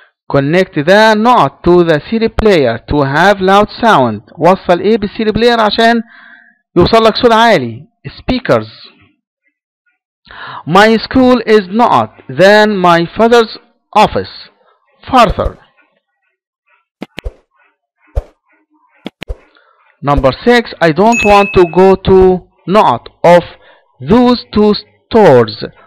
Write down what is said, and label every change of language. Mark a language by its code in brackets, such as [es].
[en] Connect the knot to the CD player to have loud sound. [ar] وصل ايه بالCD player عشان يوصل لك صوت عالي. [en] Speakers. My school is not than my father's office. Farther. Number 6. I don't want to go to not of those two stores.